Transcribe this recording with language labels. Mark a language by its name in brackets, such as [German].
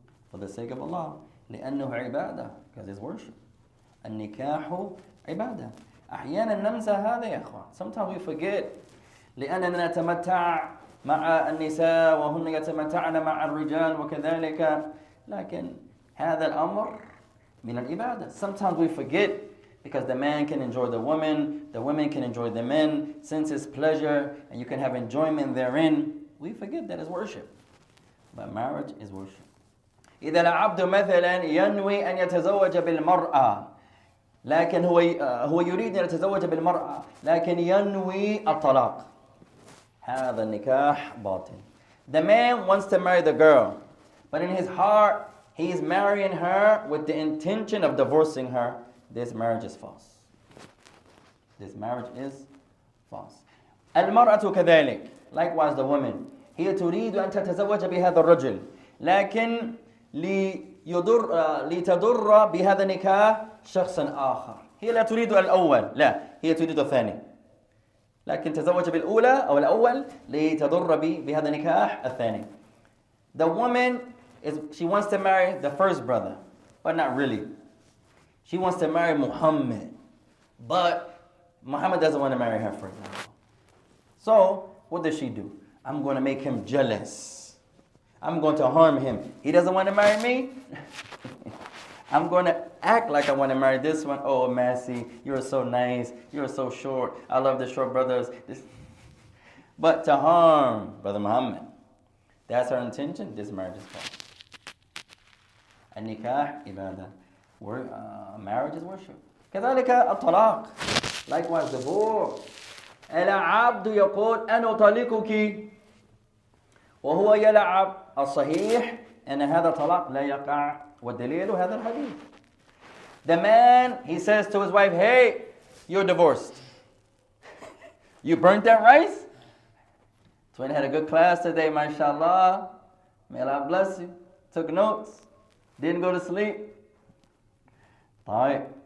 [English] For the sake of Allah. [Arabic] لأنه عبادة. [English] Because it's worship. [Arabic] النكاح عبادة. أحيانا ننسى هذا يا أخوان. [English] Sometimes we forget. [Arabic] لأننا نتمتع مع النساء وهن يتمتعن مع الرجال وكذلك. لكن هذا الأمر من العبادة. [English] Sometimes we forget because the man can enjoy the women can enjoy the men, since it's pleasure and you can have enjoyment therein. We forget that is worship. But marriage is worship. [Arabic] إذا العبد مثلا ينوي أن يتزوج بالمرأة لكن هو يريد أن يتزوج بالمرأة لكن ينوي الطلاق. هذا النكاح باطل. [English] The man wants to marry the girl, but in his heart, he is marrying her with the intention of divorcing her. This marriage is false. This marriage is false. [Arabic] المرأة كذلك. [English] Likewise, the woman. [Arabic] هي تريد أن تتزوج بهذا الرجل لكن لتضر بهذا النكاح شخصا آخر. هي لا تريد الأول. لا. هي تريد الثاني. لكن تزوج بالأولى أو الأول لتضر بهذا النكاح الثاني. [English] The woman, she wants to marry the first brother, but not really. She wants to marry Muhammad, but Muhammad doesn't want to marry her, for example. So, what does she do? I'm going to make him jealous. I'm going to harm him. He doesn't want to marry me. I'm going to act like I want to marry this one. Oh, Massey, you're so nice. You're so short. I love the short brothers. But to harm Brother Muhammad, that's her intention. This marriage is false. [Arabic] النكاح عبادة. [English] Marriage is worship. [Arabic] كذلك الطلاق. [English] Likewise, divorce. [Arabic] العبد يقول أنا أطلقك وهو يلعب. الصحيح أن هذا الطلاق لا يقع. والدليل هذا الحديث. [English] The man, he says to his wife, hey, you're divorced. You burnt that rice? Twin had a good class today, mashallah. May Allah bless you. Took notes. Didn't go to sleep. طيب.